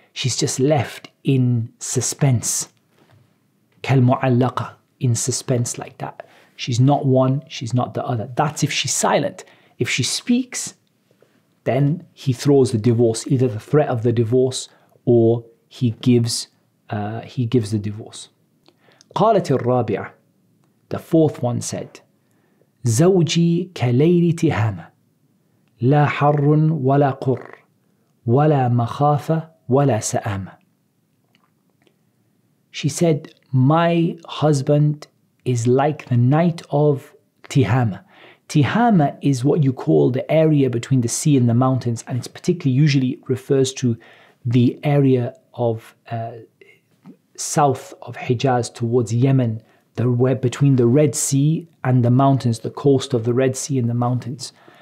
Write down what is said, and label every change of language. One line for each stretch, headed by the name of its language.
English: She's just left in suspense. كَالْمُعَلَّقَةِ, in suspense like that. She's not one, she's not the other. That's if she's silent. If she speaks, then he throws the divorce, either the threat of the divorce or he gives the divorce.
Arabic: قالت الرابعة,
English: the fourth one said,
Arabic: زوجي كليل تهامة لا حر ولا قر ولا مخافة ولا سأمة.
English: She said, my husband is like the night of Tihama. Tihama is what you call the area between the sea and the mountains, and it's particularly usually refers to the area of south of Hijaz towards Yemen, the where between the Red Sea and the mountains, the coast of the Red Sea and the mountains.